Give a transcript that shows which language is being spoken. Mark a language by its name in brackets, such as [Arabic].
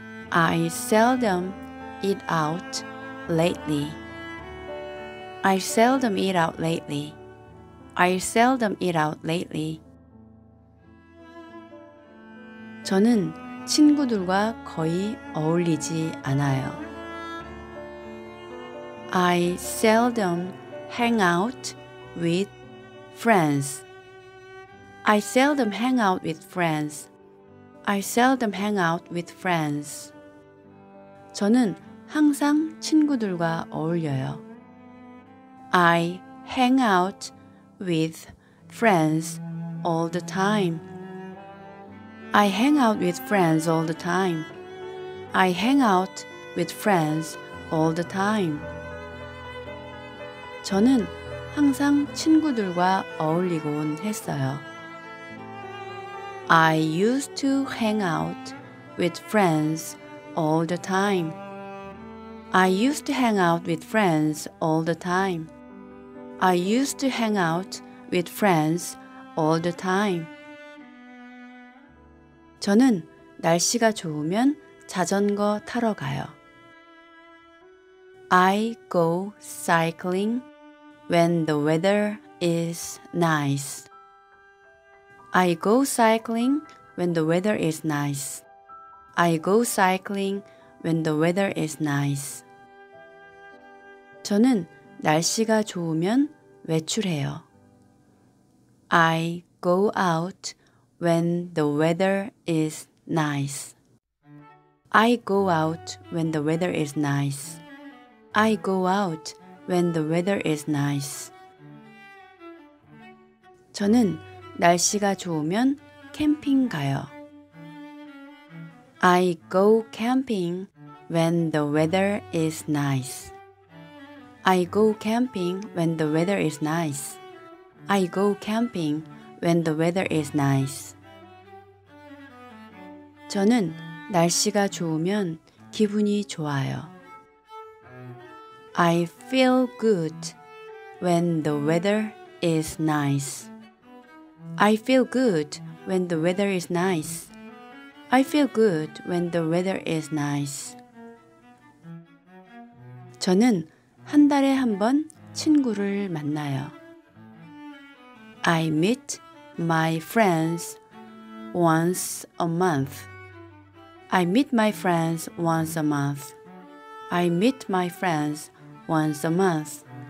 [English] I seldom eat out lately. I seldom eat out lately. I seldom eat out lately. [Korean] 저는 친구들과 거의 어울리지 않아요. [English] I seldom hang out with friends. I seldom hang out with friends. I seldom hang out with friends. [Korean] 저는 항상 친구들과 어울려요. [English] I hang out with friends all the time. I hang out with friends all the time. I hang out with friends all the time. [Korean] 저는 항상 친구들과 어울리곤 했어요. [English] I used to hang out with friends all the time. I used to hang out with friends all the time. I used to hang out with friends all the time. [Korean] 저는 날씨가 좋으면 자전거 타러 가요. [English] I go cycling when the weather is nice. I go cycling when the weather is nice. I go cycling when the weather is nice. [Korean] 저는 날씨가 좋으면 외출해요. [English] I go out when the weather is nice. I go out when the weather is nice. I go out when the weather is nice. [Korean] 저는 날씨가 좋으면 캠핑 가요. [English] I go camping when the weather is nice. I go camping when the weather is nice. I go camping when the weather is nice. [Korean] 저는 날씨가 좋으면 기분이 좋아요. [English] I feel good when the weather is nice. I feel good when the weather is nice. I feel good when the weather is nice. [Korean] 저는 한 달에 한 번 친구를 만나요. [English] I meet my friends once a month. I meet my friends once a month. I meet my friends once a month.